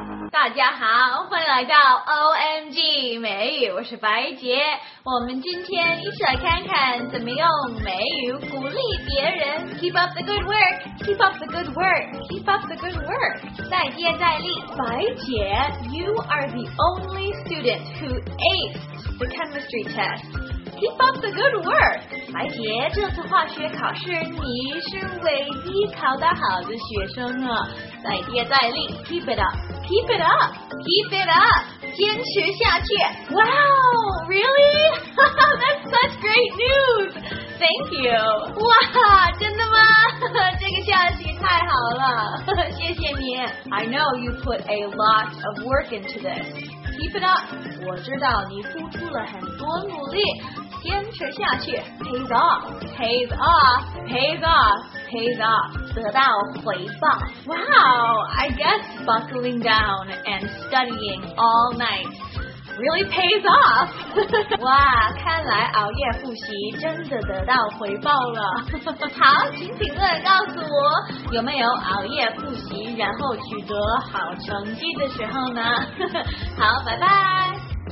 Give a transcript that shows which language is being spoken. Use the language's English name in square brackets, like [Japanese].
[Chinese] 大家好，欢迎来到 OMG 美语，我是白杰。我们今天一起来看看怎么用美语鼓励别人。 [English] Keep up the good work, keep up the good work, keep up the good work. [Chinese] 再接再厉， [English] 白杰 ，You are the only student who aced the chemistry test. Keep up the good work! [Chinese] 白杰，这次化学考试你是唯一考得好的学生呢。再接再厉 [English] ,keep it up! Keep it up! Keep it up! [Chinese] 坚持下去 , [English] Wow! Really? That's such great news! Thank you! [Chinese] 哇，真的吗？这个消息太好了，谢谢你。 [English] I know you put a lot of work into this. Keep it up! [Chinese] 我知道你付出了很多努力，坚持下去 [English] ,pays off, pays off, pays off, pays off, [Chinese] 得到回报。 [English] Wow, I guess buckling down and studying all night really pays off! [Chinese] 哇，看来熬夜复习真的得到回报了。好，请评论告诉我，有没有熬夜复习然后取得好成绩的时候呢？好，拜拜。